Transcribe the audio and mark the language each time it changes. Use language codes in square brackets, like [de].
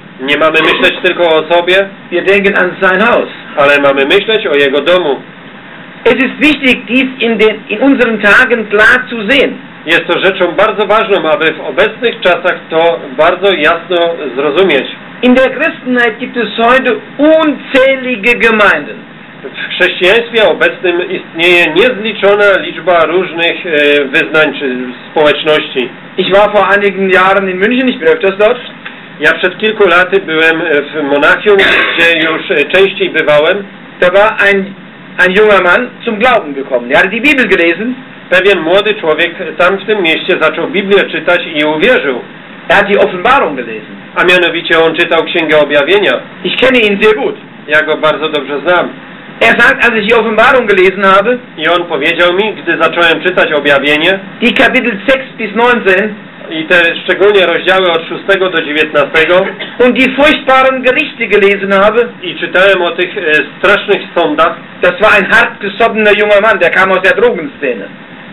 [pl] Nie mamy myśleć tylko o sobie. [de] Wir denken an sein Haus. [pl] Ale mamy myśleć o jego domu. [de] Es ist wichtig, dies in unseren Tagen klar zu sehen. [pl] Jest to rzeczą bardzo ważną, aby w obecnych czasach to bardzo jasno zrozumieć. [de] In der Christenheit gibt es heute unzählige Gemeinden. [pl] W chrześcijaństwie obecnym istnieje niezliczona liczba różnych wyznań czy społeczności. [de] Ich war vor einigen Jahren in München, ich bin öfters dort. [pl] Ja przed kilku laty byłem w Monachium, gdzie już częściej bywałem. [de] Da war ein junger Mann zum Glauben gekommen. Er hat die Bibel gelesen. [pl] Pewien młody człowiek tam w tym mieście zaczął Biblię czytać i uwierzył. [de] Er hat die Offenbarung gelesen. [pl] A mianowicie on czytał Księgę Objawienia. [de] Ich kenne ihn sehr gut. [pl] Ja go bardzo dobrze znam. [de] Er sagt, als ich die Offenbarung gelesen habe. [pl] I on powiedział mi, gdy zacząłem czytać Objawienie. [de] Die Kapitel 6 bis 19. [pl] I te szczególnie rozdziały od 6 do 19. [de] Und die furchtbaren Gerichte gelesen habe. [pl] I czytałem o tych strasznych sądach. [de] Das war ein hartgesottener junger Mann, der kam aus der Drogenszene.